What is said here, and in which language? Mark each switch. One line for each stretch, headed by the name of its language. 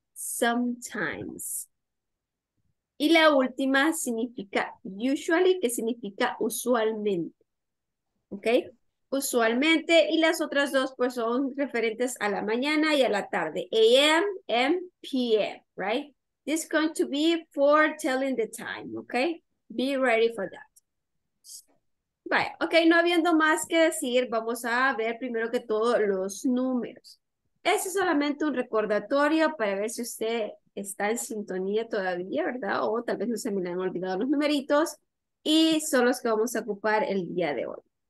English: Sometimes.
Spanish: Y la última significa usually, que significa usualmente, ¿ok? Usualmente, y las otras dos pues son referentes a la mañana y a la tarde, a.m.
English: and p.m., right? This is going to be for telling the time, okay? Be ready for that.
Spanish: Vaya, okay, no habiendo más que decir, vamos a ver primero que todo los números. Ese es solamente un recordatorio para ver si usted está en sintonía todavía, ¿verdad? O tal vez no se me han olvidado los numeritos y son los que vamos a ocupar el día de hoy.